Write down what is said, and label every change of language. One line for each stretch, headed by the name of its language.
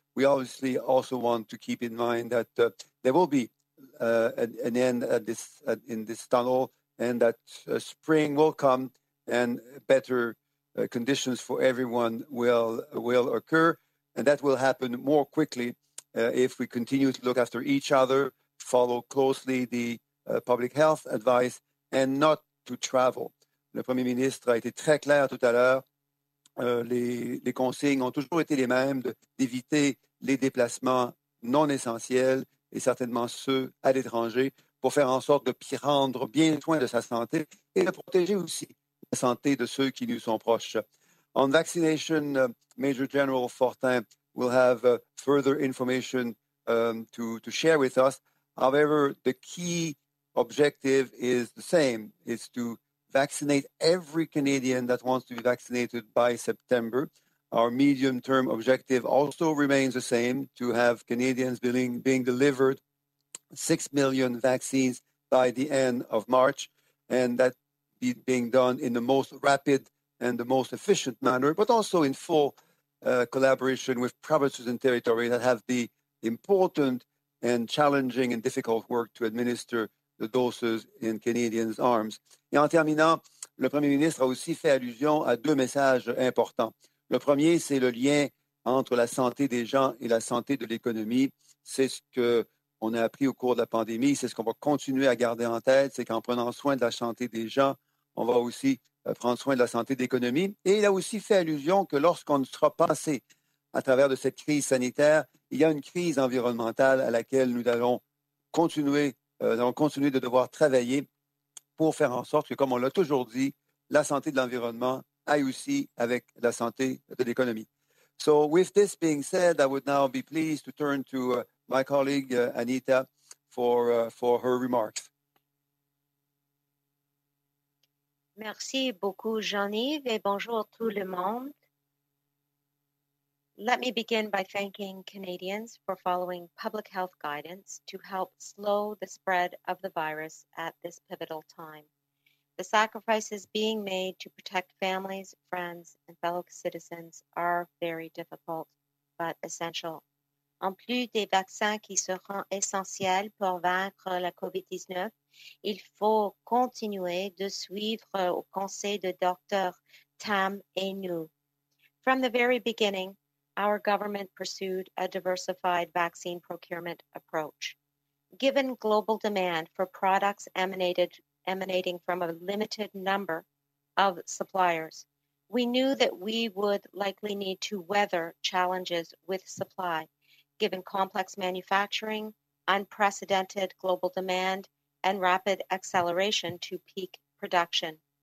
English: We obviously also want to keep in mind that there will be an end at this in this tunnel, and that spring will come and better conditions for everyone will occur. And that will happen more quickly if we continue to look after each other, follow closely the public health advice, and not to travel.
French: Le Premier ministre a été très clair tout à l'heure. Les consignes ont toujours été les mêmes, d'éviter les déplacements non essentiels et certainement ceux à l'étranger pour faire en sorte de prendre bien soin de sa santé et de protéger aussi la santé de ceux qui nous sont proches.
English: On vaccination, Major General Fortin will have further information to share with us. However, the key objective is the same, is to vaccinate every Canadian that wants to be vaccinated by September. Our medium-term objective also remains the same, to have Canadians being delivered 6 million vaccines by the end of March, and that being done in the most rapid and the most efficient manner, but also in full collaboration with provinces and territories that have the important and challenging and difficult work to administer the doses in Canadians' arms.
French: Et en terminant, le Premier ministre a aussi fait allusion à deux messages importants. Le premier, c'est le lien entre la santé des gens et la santé de l'économie. C'est ce qu'on a appris au cours de la pandémie, c'est ce qu'on va continuer à garder en tête, c'est qu'en prenant soin de la santé des gens, on va aussi prendre soin de la santé de l'économie. Et il a aussi fait allusion que lorsqu'on ne sera passé à travers de cette crise sanitaire, il y a une crise environnementale à laquelle nous allons continuer de devoir travailler pour faire en sorte que, comme on l'a toujours dit, la santé de l'environnement aille aussi avec la santé de l'économie.
English: So with this being said, I would now be pleased to turn to my colleague, Anita, for her remarks.
French: Merci beaucoup, Jean-Yves, et bonjour tout le monde.
English: Let me begin by thanking Canadians for following public health guidance to help slow the spread of the virus at this pivotal time. The sacrifices being made to protect families, friends, and fellow citizens are very difficult, but essential.
French: En plus des vaccins qui seront essentiels pour vaincre la COVID-19, il faut continuer de suivre au conseil de Dr. Tam et nous.
English: From the very beginning, our government pursued a diversified vaccine procurement approach. Given global demand for products emanating from a limited number of suppliers, we knew that we would likely need to weather challenges with supply, given complex manufacturing, unprecedented global demand, and rapid acceleration to peak production.